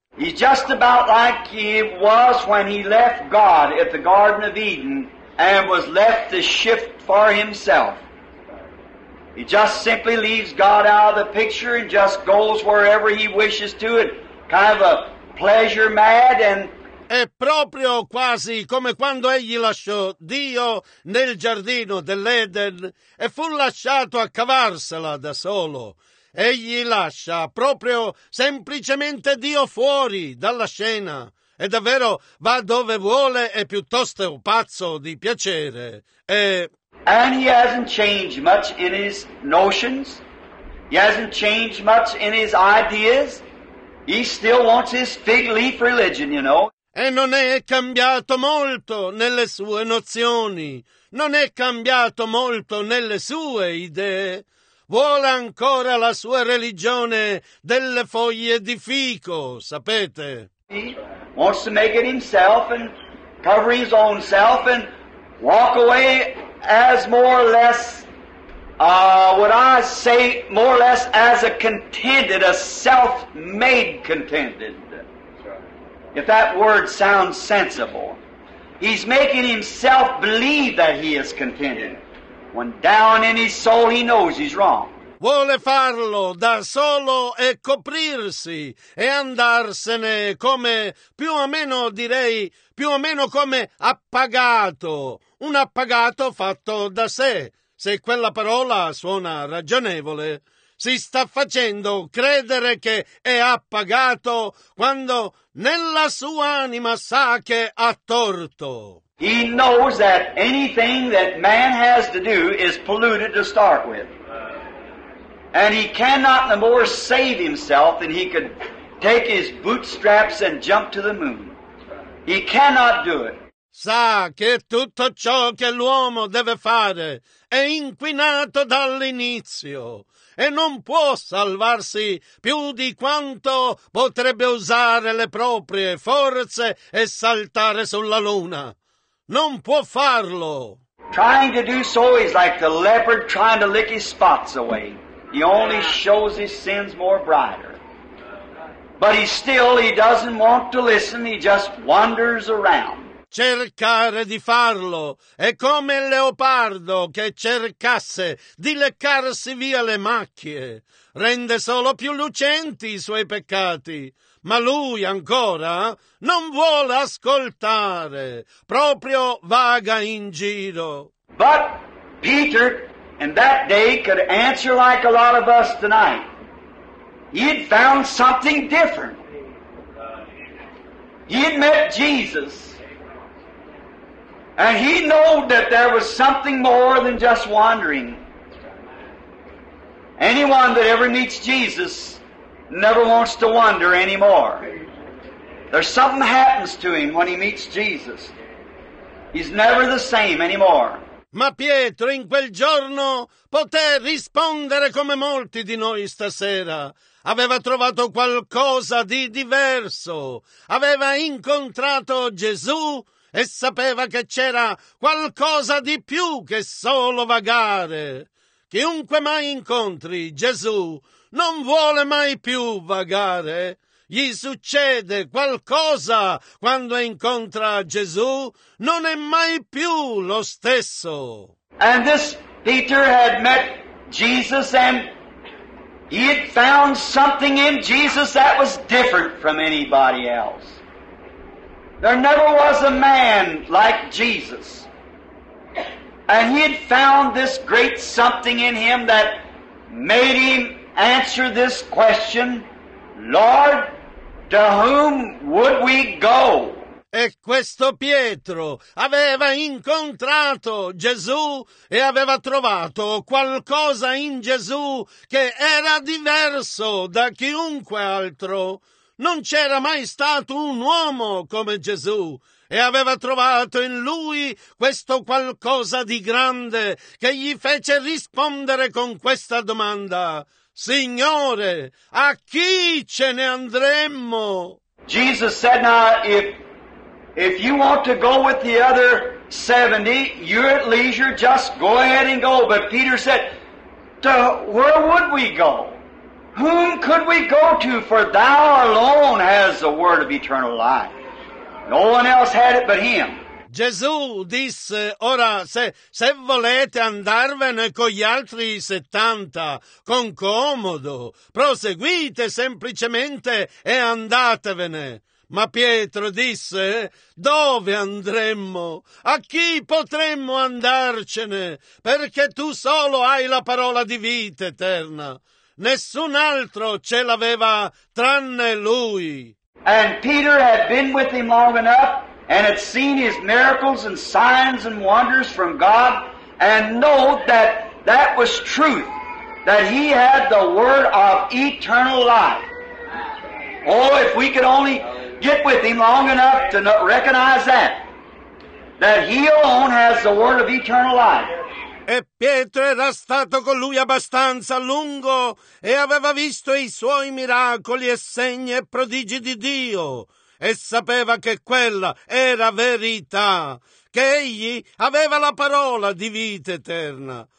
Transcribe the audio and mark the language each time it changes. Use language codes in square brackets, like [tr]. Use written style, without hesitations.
[en] He's just about like he was when he left God at the Garden of Eden and was left to shift for himself. He just simply leaves God out of the picture and just goes wherever he wishes to, and kind of a pleasure mad and [it] È proprio quasi come quando egli lasciò Dio nel giardino dell'Eden e fu lasciato a cavarsela da solo. Egli lascia proprio semplicemente Dio fuori dalla scena e davvero va dove vuole e piuttosto è un pazzo di piacere. E [en] And he hasn't changed much in his notions. He hasn't changed much in his ideas. He still wants his fig leaf religion, you know. [it] E non è cambiato molto nelle sue nozioni, non è cambiato molto nelle sue idee. Vuole ancora la sua religione delle foglie di fico, sapete? [en] He wants to make it himself and cover his own self and walk away as more or less, more or less as a contented, a self-made contented. If that word sounds sensible, he's making himself believe that he is contented, when down in his soul he knows he's wrong. [it] Vuole farlo da solo e coprirsi e andarsene come, più o meno direi, più o meno come appagato, un appagato fatto da sé, se quella parola suona ragionevole. Si sta facendo credere che è appagato quando nella sua anima sa che ha torto. [en] He knows that anything that man has to do is polluted to start with. And he cannot no more save himself than he could take his bootstraps and jump to the moon. He cannot do it. [it] Sa che tutto ciò che l'uomo deve fare è inquinato dall'inizio. E non può salvarsi più di quanto potrebbe usare le proprie forze e saltare sulla luna. Non può farlo. [en] Trying to do so is like the leopard trying to lick his spots away. He only shows his sins more brighter. But he still, he doesn't want to listen, he just wanders around. [it] cercare di farlo è come il leopardo che cercasse di leccarsi via le macchie. Rende solo più lucenti i suoi peccati, ma lui ancora non vuole ascoltare, proprio vaga in giro. [en] But Peter in that day could answer like a lot of us tonight. He'd found something different. He'd met Jesus. And he knew that there was something more than just wandering. Anyone that ever meets Jesus never wants to wander anymore. There's something happens to him when he meets Jesus. He's never the same anymore. [it] Ma Pietro in quel giorno poté rispondere come molti di noi stasera. Aveva trovato qualcosa di diverso. Aveva incontrato Gesù e sapeva che c'era qualcosa di più che solo vagare. Chiunque mai incontri Gesù non vuole mai più vagare. Gli succede qualcosa quando incontra Gesù, non è mai più lo stesso. [en] And this Peter had met Jesus and he had found something in Jesus that was different from anybody else. There never was a man like Jesus. And he had found this great something in him that made him answer this question, Lord, to whom would we go? [it] E questo Pietro aveva incontrato Gesù e aveva trovato qualcosa in Gesù che era diverso da chiunque altro. Non c'era mai stato un uomo come Gesù. E aveva trovato in lui questo qualcosa di grande che gli fece rispondere con questa domanda. Signore, a chi ce ne andremmo? [en] Jesus said, now, if you want to go with the other 70, you're at leisure, just go ahead and go. But Peter said, where would we go? Whom could we go to? For thou alone has the word of eternal life. No one else had it but him. [it] Gesù disse, ora se volete andarvene con gli altri 70, con comodo, proseguite semplicemente e andatevene. Ma Pietro disse, dove andremmo? A chi potremmo andarcene? Perché tu solo hai la parola di vita eterna. Nessun altro ce l'aveva tranne lui. [en] And Peter had been with him long enough and had seen his miracles and signs and wonders from God and know that that was truth, that he had the word of eternal life. Oh, if we could only get with him long enough to recognize that he alone has the word of eternal life. [it] E Pietro era stato con lui abbastanza a lungo e aveva visto i suoi miracoli e segni e prodigi di Dio e sapeva che quella era verità, che egli aveva la parola di vita eterna.